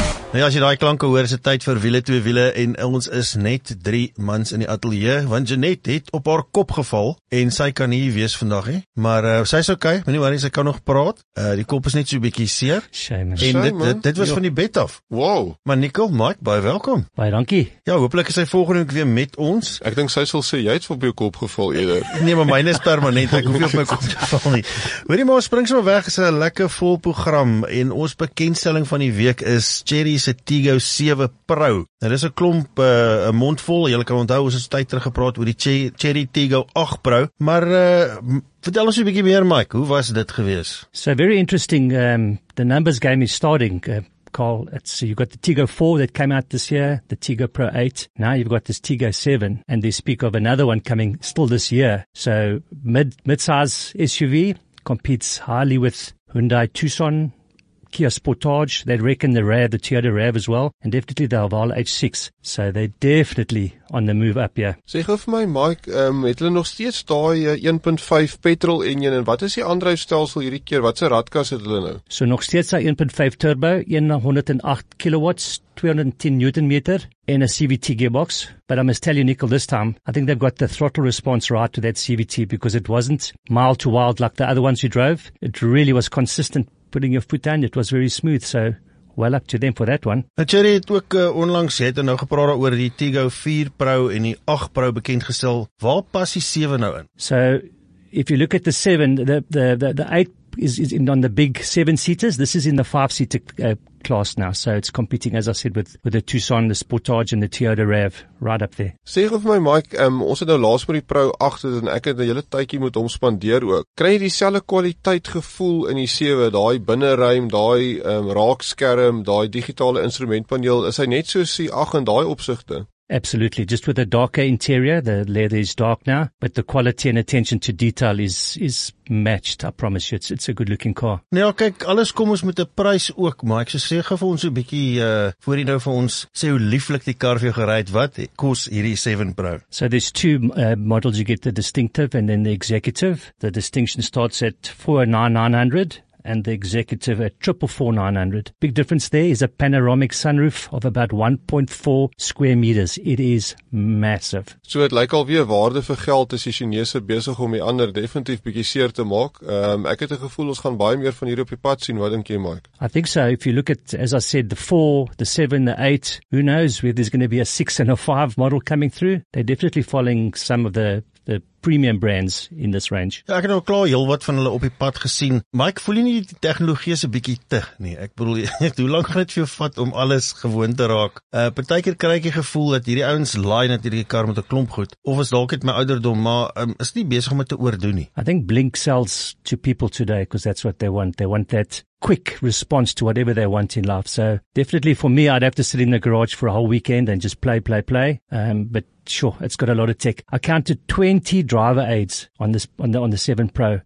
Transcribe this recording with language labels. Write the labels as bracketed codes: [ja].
[af] Nou ja, as jy daai klanke hoor, is dit tyd vir wiele, twee wiele en ons is net drie mans in die ateljee, want Jeanette het op haar kop geval en sy kan nie wees vandag nie, maar sy is okay, maar nie waar nie, sy kan nog praat, die kop is net so bietjie seer, en dit was van die bed af. Wow! Maar Nicole, Mike, baie welkom. Baie dankie. Ja, hopelijk is sy volgende week weer met ons. Ek denk sy sal sê, jy het op jou kop geval eerder. Nee, maar myne is permanent, ek hoef nie op my kop geval nie. Hoor die maar, spring sommer weg, is 'n lekker vol program en ons bekendstelling van die week is Cherry se Tigo 7 Pro. Nou, dit is 'n klomp mondvol, jylle kan onthou, ons is tyd terug gepraat oor die Cherry Tigo 8 Pro, maar vertel ons 'n bietjie meer, Mike, hoe was dit gewees? [en] So, very interesting, the numbers game is starting, Carl, you've got the Tigo 4 that came out this year, the Tigo Pro 8, now you've got this Tigo 7, and they speak of another one coming still this year. So, mid-size SUV competes highly with Hyundai Tucson, Kia Sportage, they'd reckon the RAV, the Toyota RAV as well, and definitely the Haval H6. So they're definitely on the move up here. [af] Sê gou vir my, Mike, het hulle nog steeds daai 1.5 petrol engine, en wat is die aandryfstelsel hierdie keer, wat se ratkas het hulle nou? So nog steeds daai 1.5 turbo, 108 kilowatts, 210 newton-meter, [en] and a CVT gearbox. But I must tell you, Nicole, this time, I think they've got the throttle response right to that CVT, because it wasn't mild to wild like the other ones you drove. It really was consistent. Putting your foot down, it was very smooth, so well up to them for that one. [af] Nou, Cherry het ook onlangs het en nou gepraat oor die Tigo 4 Pro en die 8 Pro bekendgestel. Waar pas die 7 nou in? [en] So, if you look at the 7, the 8 is in on the big 7-seaters. This is in the 5-seater class now, so it's competing, as I said, with the Tucson, the Sportage and the Toyota RAV, right up there. [af] Sê gou vir my, Mike, ons het nou laas met die Pro 8 en ek het 'n hele tydjie moet omspandeer ook. Kry jy dieselfde kwaliteit gevoel in die 7, daai binnenruim, daai raakskerm, daai digitale instrumentpaneel, is hy net soos die 8 in daai opsigte? [en] Absolutely, just with a darker interior, the leather is dark now, but the quality and attention to detail is matched, I promise you, it's a good looking car. [af] Nou ja, kyk, alles kom ons met 'n prys ook, maar ek so sê, gee vir ons 'n bietjie, voor jy nou vir ons, sê hoe lieflik die kar vir jou gery het, wat kos hierdie 7 Pro? [en] So there's two models, you get the distinctive and then the executive. The distinction starts at $4,900. And the executive at 444,900. Big difference there is a panoramic sunroof of about 1.4 square meters. It is massive. [af] So it lyk alweer waarde vir geld as die Chinese besig om die ander definitief bietjie seer te maak. Ek het 'n gevoel ons gaan baie meer van hier op die pad sien. Wat dink jy, Mike? [en] I think so. If you look at, as I said, the 4, the 7, the 8, who knows where there's going to be a 6 and a 5 model coming through. They're definitely following some of the premium brands in this range. [af] Ja, ek het nou klaar heel wat van hulle op die pad gesien. Mike, voel jy nie die tegnologie is 'n bietjie te? Nee, ek bedoel, hoe lank gaan dit vir jou vat om alles gewoon te raak? Partykeer kry ek die gevoel dat hierdie ouens laai natuurlik die kar met 'n klomp goed, of is dalk net my ouderdom, maar is nie besig om dit te oordoen nie. [en] I think Blink sells to people today because that's what they want. They want that quick response to whatever they want in life. So definitely for me, I'd have to sit in the garage for a whole weekend and just play. But sure, it's got a lot of tech. I counted 20 driver aids on the 7 Pro.